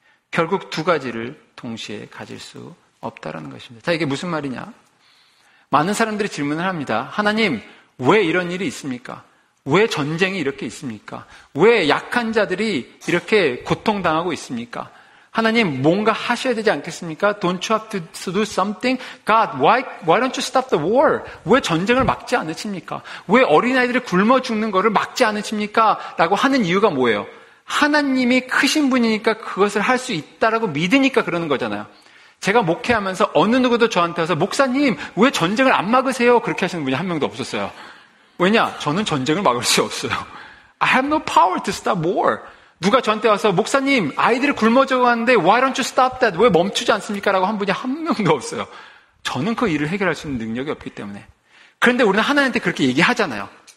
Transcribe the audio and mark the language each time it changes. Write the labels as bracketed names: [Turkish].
[Korean] 결국 두 가지를 동시에 가질 수 없다라는 것입니다. 자, 이게 무슨 말이냐? 많은 사람들이 질문을 합니다. 하나님, 왜 이런 일이 있습니까? 왜 전쟁이 이렇게 있습니까? 왜 약한 자들이 이렇게 고통당하고 있습니까? 하나님, 뭔가 하셔야 되지 않겠습니까? [English] Don't you have to do something? God, why don't you stop the war? [Korean] 왜 전쟁을 막지 않으십니까? 왜 어린아이들이 굶어 죽는 거를 막지 않으십니까? 라고 하는 이유가 뭐예요? 하나님이 크신 분이니까 그것을 할 수 있다라고 믿으니까 그러는 거잖아요. 제가 목회하면서 어느 누구도 저한테 와서 목사님, 왜 전쟁을 안 막으세요? 그렇게 하시는 분이 한 명도 없었어요. 왜냐? 저는 전쟁을 막을 수 없어요. [English] I have no power to stop war. [Korean] 누가 저한테 와서 목사님 아이들을 굶어져가고 하는데 [English] why don't you stop that? [Korean] 왜 멈추지 않습니까? 라고 한 분이 한 명도 없어요. 저는 그 일을 해결할 수 있는 능력이 없기 때문에. 그런데 우리는 하나님한테 그렇게 얘기하잖아요.